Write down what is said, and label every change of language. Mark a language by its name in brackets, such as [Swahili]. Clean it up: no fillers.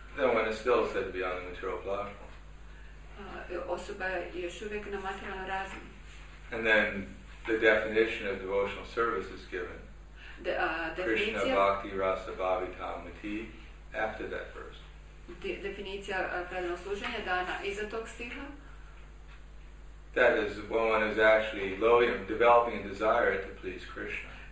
[English] Then one is still said to be on the material platform. [Croatian] Osoba je još uvijek na materijalnoj razini. [English] And then the definition of devotional service is given. [Sanskrit] Krishna bhakti rasa bhavitam mati [English] after that verse. [Croatian] Definicija predanog služenja dana iza tog stiha. [English] That is when one is actually loving, developing a desire to please Krishna.